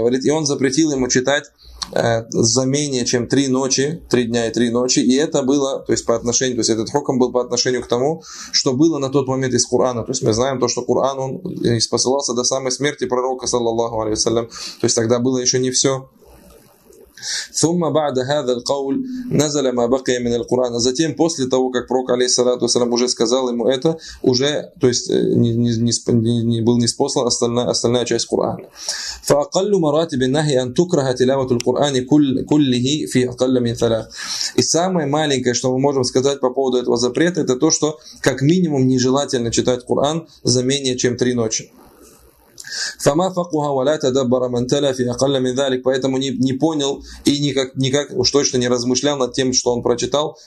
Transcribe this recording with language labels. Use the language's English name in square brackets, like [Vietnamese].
[Russian] Говорит, и он запретил ему читать за менее чем 3 ночи, 3 дня и 3 ночи, и это было, то есть по отношению, то есть этот хокм был по отношению к тому, что было на тот момент из Корана. То есть мы знаем то, что Коран, он посылался до самой смерти пророка, саллаллаху алейхи ва саллям, то есть тогда было еще не все. [Arabic] ثم بعد هذا القول نزل ما بقي من القرآن. [Russian] Затем после того, как пророк, алейхиссалату ассалям, уже сказал ему это, уже, то есть не был ниспослан остальная часть Корана. [Arabic] فأقل مراتب النهي أن تكره تلاوة القرآن كله في أقل من ثلاث. [Russian] И самое маленькое, что мы можем сказать по поводу этого запрета, это то, что как минимум нежелательно читать Коран за менее чем 3 ночи. [Arabic] Фама факуха валята дабара мантеля фи акалля мин залик. [Russian] Поэтому не понял и никак уж точно не размышлял над тем, что он прочитал.